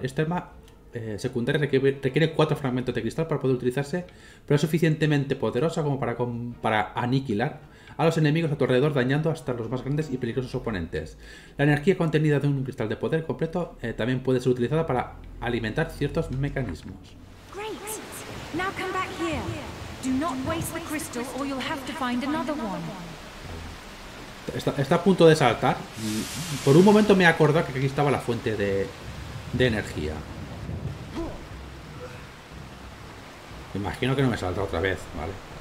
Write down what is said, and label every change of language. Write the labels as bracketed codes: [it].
[es] Este arma secundaria requiere 4 fragmentos de cristal para poder utilizarse, pero es suficientemente poderosa como para aniquilar a los enemigos a tu alrededor, dañando hasta los más grandes y peligrosos oponentes. La energía contenida de un cristal de poder completo también puede ser utilizada para alimentar ciertos mecanismos. [en] Great. Now come back here. Do not waste the crystal or you'll have to find another one. [es] Está a punto de saltar. Por un momento me acordé que aquí estaba la fuente de energía. Me imagino que no me salta otra vez, ¿vale?